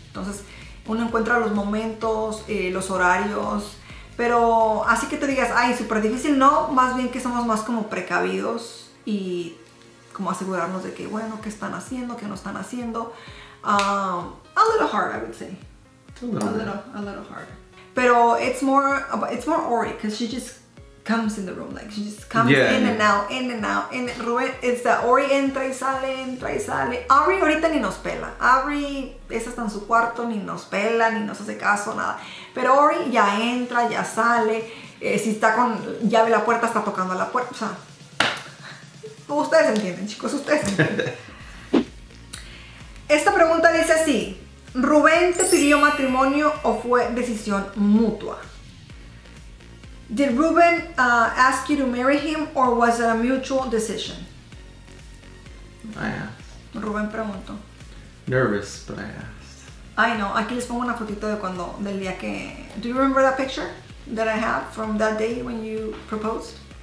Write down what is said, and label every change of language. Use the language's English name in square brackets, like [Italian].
[Spanish] Entonces, uno encuentra los momentos, los horarios, pero así que te digas, ay, súper difícil, no, más bien que somos más como precavidos y como asegurarnos de que, bueno, qué están haciendo, qué no están haciendo. [English] A little hard, I would say. A little hard. Pero it's more Ori, because she just comes in the room, like, she just comes in and out. And Ruben, it's that Ori [Spanish] entra y sale. Ari ahorita ni nos pela. Ari, esa está en su cuarto, ni nos pela, ni nos hace caso, nada. Pero Ori ya entra, ya sale. Si está con llave la puerta, está tocando la puerta. O sea, ustedes entienden, chicos, ustedes entienden. Esta pregunta dice así. ¿Ruben te pidió matrimonio o fue decisión mutua? [English] Did Ruben ask you to marry him or was it a mutual decision? I asked. [Spanish] Ruben preguntó. [English] Nervous, but I asked. I know. [Spanish] Aquí les pongo una fotito de cuando, del día que... [English] Do you remember that picture that I have from that day when you proposed?